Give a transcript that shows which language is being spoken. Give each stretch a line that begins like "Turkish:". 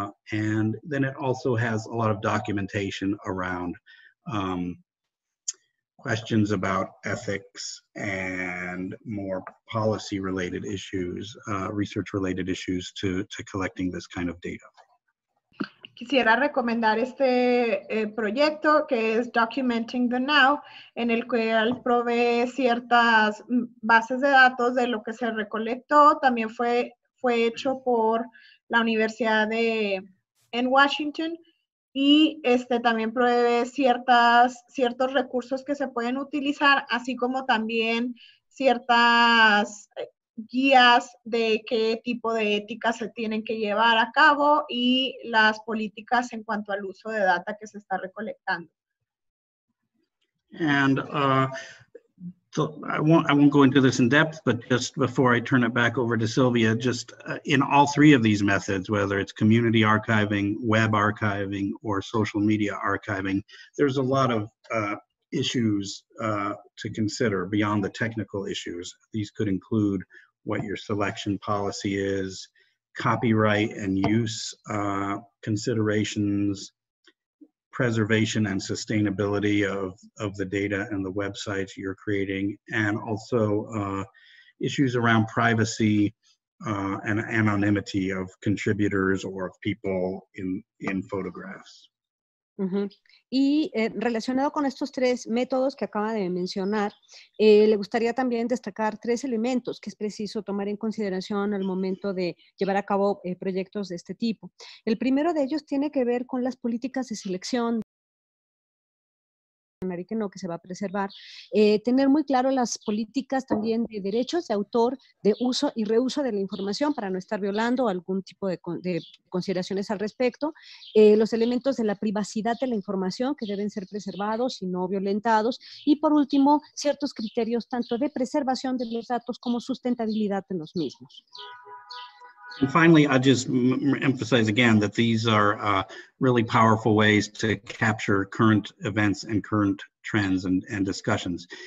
English: And then it also has a lot of documentation around questions about ethics and more policy related issues, research related issues to collecting this kind of data.
Spanish: Quisiera recomendar este proyecto que es Documenting the Now, en el cual provee ciertas bases de datos de lo que se recolectó. También fue hecho por la Universidad en Washington. Y también provee ciertos recursos que se pueden utilizar, así como también ciertas guías de qué tipo de ética se tienen que llevar a cabo y las políticas en cuanto al uso de data que se está recolectando.
English: And I won't go into this in depth, but just before I turn it back over to Sylvia, just in all three of these methods, whether it's community archiving, web archiving, or social media archiving, there's a lot of issues to consider beyond the technical issues. These could include what your selection policy is, copyright and use considerations, preservation and sustainability of the data and the websites you're creating, and also issues around privacy and anonymity of contributors or of people in photographs.
Spanish: Uh-huh. Y relacionado con estos tres métodos que acaba de mencionar, le gustaría también destacar tres elementos que es preciso tomar en consideración al momento de llevar a cabo proyectos de este tipo. El primero de ellos tiene que ver con las políticas de selección que se va a preservar, tener muy claro las políticas también de derechos de autor, de uso y reuso de la información para no estar violando algún tipo de consideraciones al respecto, los elementos de la privacidad de la información que deben ser preservados y no violentados, y por último, ciertos criterios tanto de preservación de los datos como sustentabilidad de los mismos.
English: And finally, I just emphasize again that these are really powerful ways to capture current events and current trends and discussions.